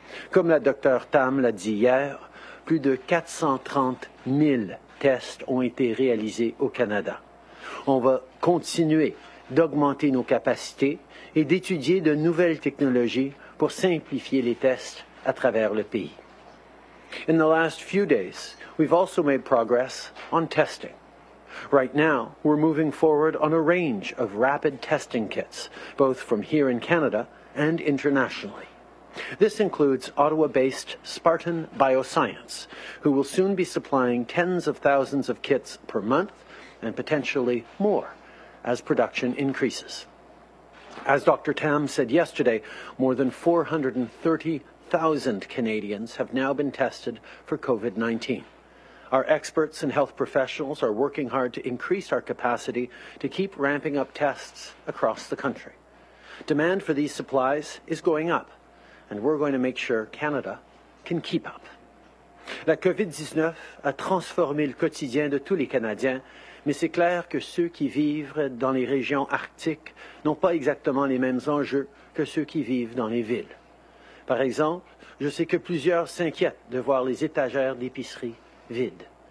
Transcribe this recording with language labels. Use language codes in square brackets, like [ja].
[fr] Comme la Dr Tam l'a dit hier, plus de 430 000 tests ont été réalisés au Canada. On va continuer d'augmenter nos capacités et d'étudier de nouvelles technologies pour simplifier les tests à travers le pays. [en] In the last few days, we've also made progress on testing. Right now, we're moving forward on a range of rapid testing kits, both from here in Canada and internationally. This includes Ottawa-based Spartan Bioscience, who will soon be supplying tens of thousands of kits per month, and potentially more, as production increases. As Dr. Tam said yesterday, more than 430,000 Canadians have now been tested for COVID-19. Our experts and health professionals are working hard to increase our capacity to keep ramping up tests across the country. Demand for these supplies is going up, and we're going to make sure Canada can keep up. [fr] La COVID-19 a transformé le quotidien de tous les Canadiens, mais c'est clair que ceux qui vivent dans les régions arctiques n'ont pas exactement les mêmes enjeux que ceux qui vivent dans les villes. Par exemple, je sais que plusieurs s'inquiètent de voir les étagères d'épicerie vides.